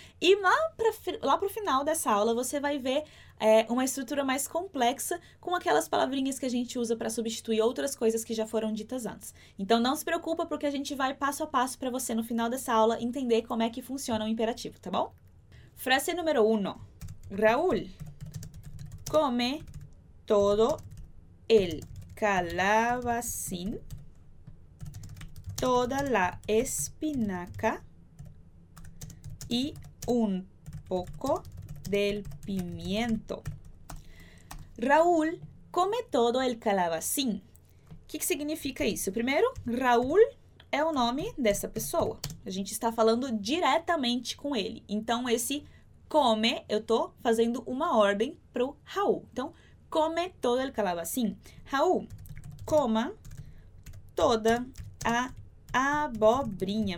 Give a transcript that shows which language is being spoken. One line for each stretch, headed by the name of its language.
Portuguese: E lá para o final dessa aula, você vai ver uma estrutura mais complexa com aquelas palavrinhas que a gente usa para substituir outras coisas que já foram ditas antes. Então, não se preocupa, porque a gente vai passo a passo para você, no final dessa aula, entender como é que funciona o imperativo, tá bom? Frase número 1.
Spanish: Raúl come todo el calabacín, toda la espinaca y un poco del pimiento. Raúl come todo el calabacín.
Portuguese: O que significa isso? Primeiro, Raúl é o nome dessa pessoa. A gente está falando diretamente com ele. Então, esse come, eu estou fazendo uma ordem para o Raul. Então,
Spanish: come todo el calabacín.
Portuguese: Raul, coma toda a abobrinha.